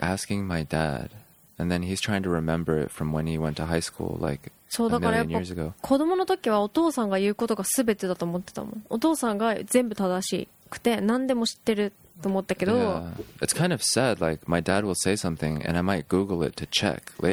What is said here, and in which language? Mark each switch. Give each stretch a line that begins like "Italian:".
English: Like asking my dad, and then he's trying to remember it from when he went to high school, like a million years ago.
Japanese: 子供の時はお父さんが言うことが全てだと思ってたもん。お父さんが全部正しくて何でも知ってる。
English: Yeah. It's kind of sad, like my dad will say something and I might Google it to check later.